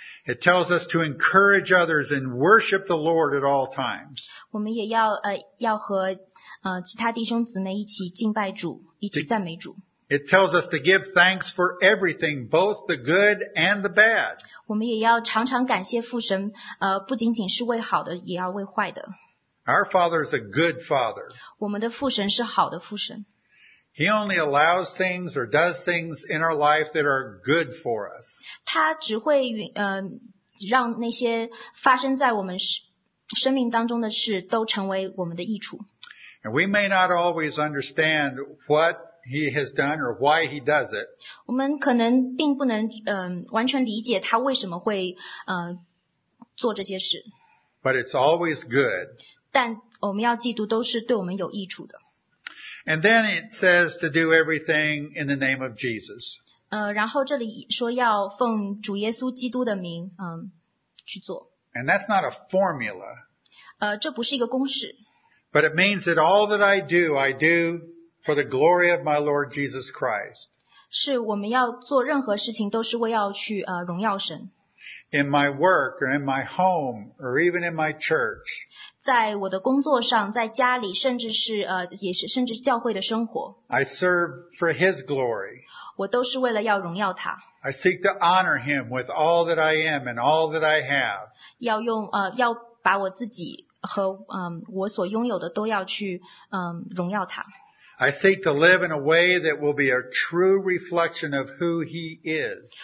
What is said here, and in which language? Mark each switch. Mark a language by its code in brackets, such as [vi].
[en] It tells us to encourage others and worship the Lord at all times. [zh] 我们也要和其他弟兄姊妹一起敬拜主，一起赞美主。 [en] It tells us to give thanks for everything, both the good and the bad. [zh] 我们也要常常感谢父神，不仅仅是为好的，也要为坏的。 [en] Our Father is a good Father. [zh] 我们的父神是好的父神。 [en] He only allows things or does things in our life that are good for us. [zh] 他只会让那些发生在我们生命当中的事都成为我们的益处。 [en] And we may not always understand what He has done or why he does it. [zh] 我们可能并不能完全理解他为什么会做这些事。 [en] But it's always good. [zh] 但我们要记住都是对我们有益处的。 [en] And then it says to do everything in the name of Jesus. [zh] 然后这里说要奉主耶稣基督的名去做。 [en] And that's not a formula. [zh] 这不是一个公式。 [en] But it means that all that I do, I do for the glory of my Lord Jesus Christ. [zh] 是我们要做任何事情都是为要去荣耀神。 [en] In my work or in my home or even in my church. [zh] 在我的工作上，在家里，甚至是也是甚至教会的生活。 [en] I serve for His glory. [zh] 我都是为了要荣耀他。 [en] I seek to honor Him with all that I am and all that I have. [zh] 要用要把我自己和我所拥有的都要去荣耀他。 [en] I seek to live in a way that will be a true reflection of who He is.